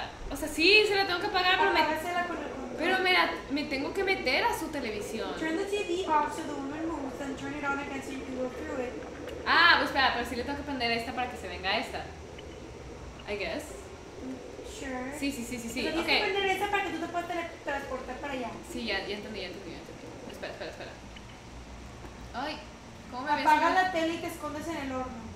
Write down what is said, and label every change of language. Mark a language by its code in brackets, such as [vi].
[es] O sea, sí, se la tengo que apagar, pero me tengo que meter a su televisión. [en] Turn the TV off so the woman moves and turn it on again so you can go through it. [es] Ah, pues espera, pero sí le tengo que prender esta para que se venga esta. [en] I guess. Sure. [es] Sí. Tienes que prender esta para que tú te puedas transportar para allá. Sí, ya entendí. Espera. Ay, ¿cómo me apaga la tele y te escondes en el horno?